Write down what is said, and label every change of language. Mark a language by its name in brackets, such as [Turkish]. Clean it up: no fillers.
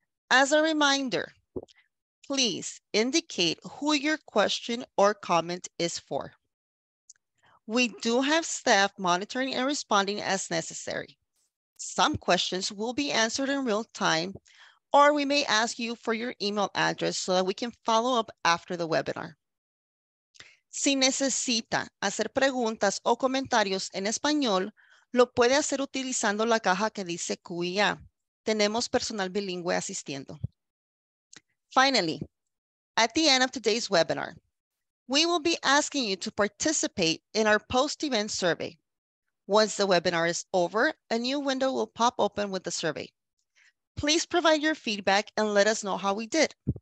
[English] As a reminder, please indicate who your question or comment is for. We do have staff monitoring and responding as necessary. Some questions will be answered in real time, or we may ask you for your email address so that we can follow up after the webinar. [Spanish] Si necesita hacer preguntas o comentarios en español, lo puede hacer utilizando la caja que dice QIA. Tenemos personal bilingüe asistiendo. [English] Finally, at the end of today's webinar, we will be asking you to participate in our post-event survey. Once the webinar is over, a new window will pop open with the survey. Please provide your feedback and let us know how we did.